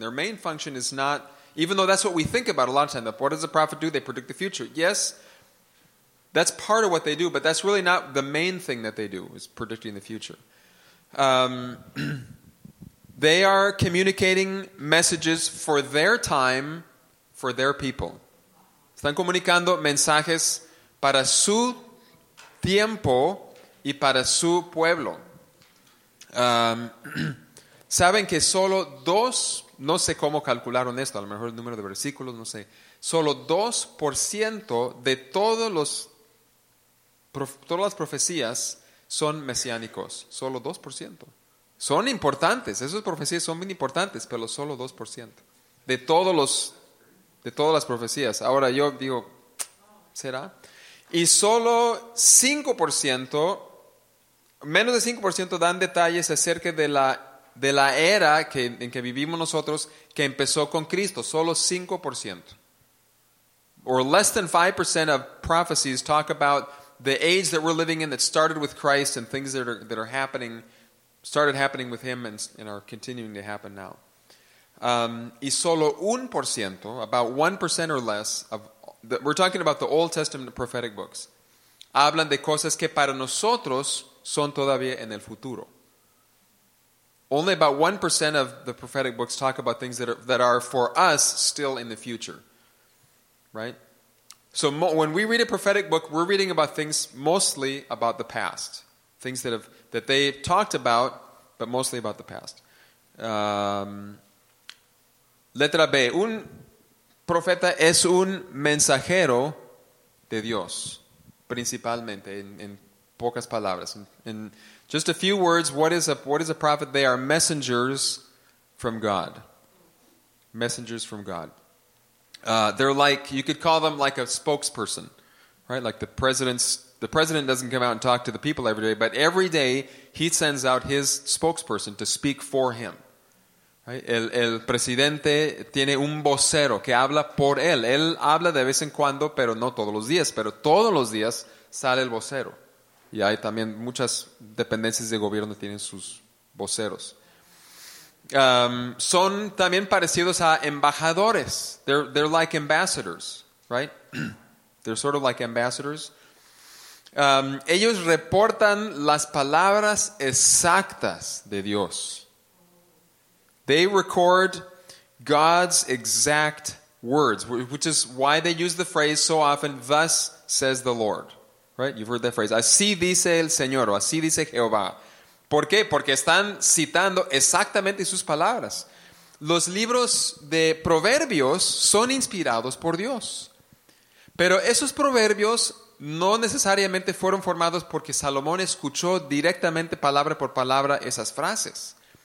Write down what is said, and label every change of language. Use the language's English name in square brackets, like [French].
[English] Their main function is not, even though that's what we think about a lot of times, what does a prophet do? They predict the future. Yes, that's part of what they do, but that's really not the main thing that they do, is predicting the future. they are communicating messages for their time, for their people. [Spanish] Están comunicando mensajes para su tiempo y para su pueblo. Saben que solo dos, no sé cómo calcularon esto, a lo mejor el número de versículos, no sé. Solo 2% de todas las profecías son mesiánicos. Solo 2%. Son importantes, esas profecías son muy importantes, pero solo 2%. De todas las profecías. Ahora yo digo, ¿será? Y solo 5%, menos de 5% dan detalles acerca de la era en que vivimos nosotros que empezó con Cristo. Solo 5%. [English] Or less than 5% of prophecies talk about the age that we're living in that started with Christ and things that are happening, started happening with Him and are continuing to happen now. [Spanish] Y solo 1%, [English] about 1% or less, we're talking about the Old Testament prophetic books, [Spanish] hablan de cosas que para nosotros son todavía en el futuro. [English] Only about 1% of the prophetic books talk about things that are for us still in the future. Right? So when we read a prophetic book, we're reading about things mostly about the past. Things that they've talked about, but mostly about the past. [Spanish] Letra B. Un profeta es un mensajero de Dios, principalmente, en pocas palabras. [English] In just a few words, what is a prophet? They are messengers from God. Messengers from God. They're like, you could call them like a spokesperson, Right? Like the president doesn't come out and talk to the people every day, but every day he sends out his spokesperson to speak for him. Right? [Spanish] El presidente tiene un vocero que habla por él. Él habla de vez en cuando, pero no todos los días. Pero todos los días sale el vocero. Y hay también muchas dependencias de gobierno que tienen sus voceros. Son también parecidos a embajadores. [English] They're like ambassadors, right? They're sort of like ambassadors. [Spanish] Ellos reportan las palabras exactas de Dios. [English] They record God's exact words, which is why they use the phrase so often, thus says the Lord. Right? You've heard that phrase. [Spanish] Así dice el Señor, o así dice Jehová. ¿Por qué? Porque están citando exactamente sus palabras. Los libros de proverbios son inspirados por Dios. Pero esos proverbios no necesariamente fueron formados porque Salomón escuchó directamente palabra por palabra esas frases.